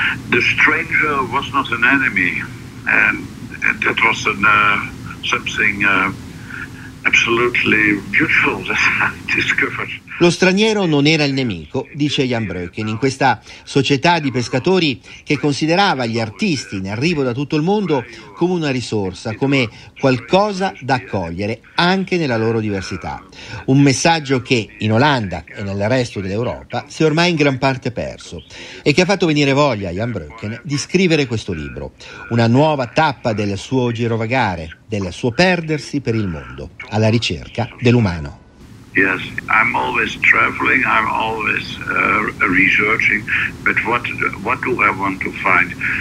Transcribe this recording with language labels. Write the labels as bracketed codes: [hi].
[en] The stranger was not an enemy, and that was something absolutely beautiful that I discovered. [it] Lo straniero non era il nemico, dice Jan Bruegger, in questa società di pescatori che considerava gli artisti in arrivo da tutto il mondo come una risorsa, come qualcosa da accogliere anche nella loro diversità. Un messaggio che in Olanda e nel resto dell'Europa si è ormai in gran parte perso e che ha fatto venire voglia a Jan Bruegger di scrivere questo libro, una nuova tappa del suo girovagare, del suo perdersi per il mondo, alla ricerca dell'umano. [en] Yes, I'm always traveling, I'm always researching, but what do I want to find?